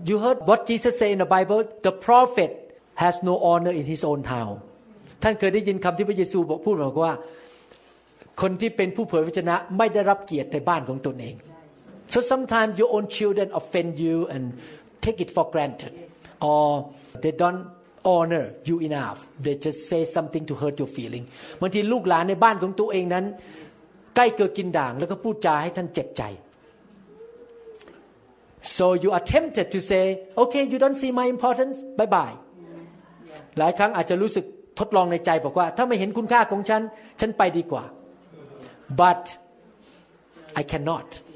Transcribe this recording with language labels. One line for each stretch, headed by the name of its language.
English: You heard what Jesus said in the Bible? The prophet has no honor in his own town.
Thai: ท่านเคยได้ยินคำที่พระเยซูพูดบอกว่าคนที่เป็นผู้เผยพระชนะไม่ได้รับเกียรติในบ้านของตนเอง
English: So sometimes your own children offend you and take it for granted. Or they don't honor you enough. They just say something to hurt your feeling.
Thai: บางทีลูกหลานในบ้านของตัวเองนั้นใกล้เกินกินด่างแล้วก็พูดจาให้ท่านเจ็บใจ
English: So you are tempted to say, okay, you don't see my importance. Bye bye.
Thai: หลายครั้งอาจจะรู้สึกทดลองในใจบอกว่าถ้าไม่เห็นคุณค่าของฉันฉันไปดีกว่า
English: But I cannot.